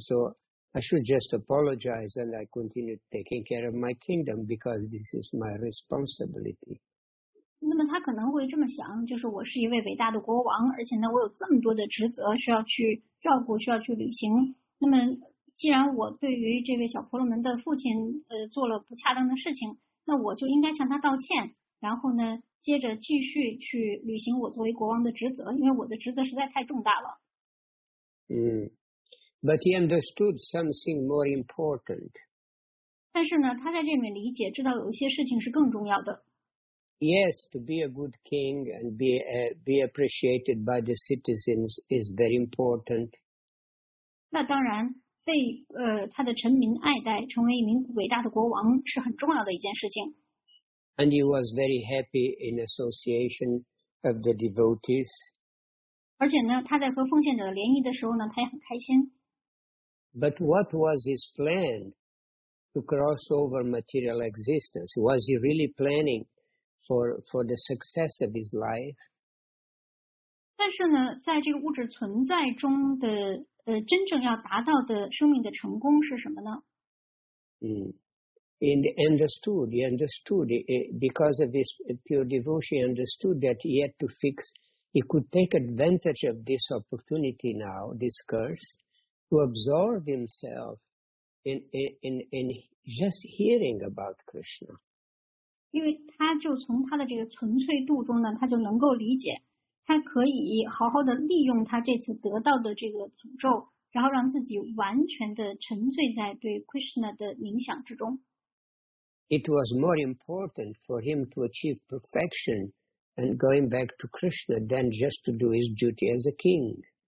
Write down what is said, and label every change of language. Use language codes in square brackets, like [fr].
[en] So I should just apologize and I continue taking care of my kingdom because this is my responsibility. [zh] 那么他可能会这么想，就是我是一位伟大的国王，而且呢我有这么多的职责需要去照顾，需要去履行，那么既然我对于这位小婆罗门的父亲做了不恰当的事情，那我就应该向他道歉，然后呢接着继续去履行我作为国王的职责，因为我的职责实在太重大了。 [en] But he understood something more important. [zh] 但是呢他在这里面理解知道有一些事情是更重要的。 [en] Yes, to be a good king and be appreciated by the citizens is very important. [zh] 那当然，被他的臣民爱戴，成为一名伟大的国王是很重要的一件事情。 [en] And he was very happy in association of the devotees. [zh] 而且呢，他在和奉献者联谊的时候呢，他也很开心。 [en] But what was his plan to cross over material existence? Was he really planning? For the success of his life. [zh] 但是呢，在这个物质存在中的真正要达到的生命的成功是什么呢？ [en] He understood because of his pure devotion. He understood that he had to fix. He could take advantage of this opportunity now, this curse, to absorb himself in just hearing about Krishna. [zh] 因为他就从他的这个纯粹度中呢，他就能够理解，他可以好好的利用他这次得到的这个诅咒，然后让自己完全的沉醉在对 Krishna 的冥想之中。 [en] It was more important for him to achieve perfection and going back to Krishna than just to do his duty as a king.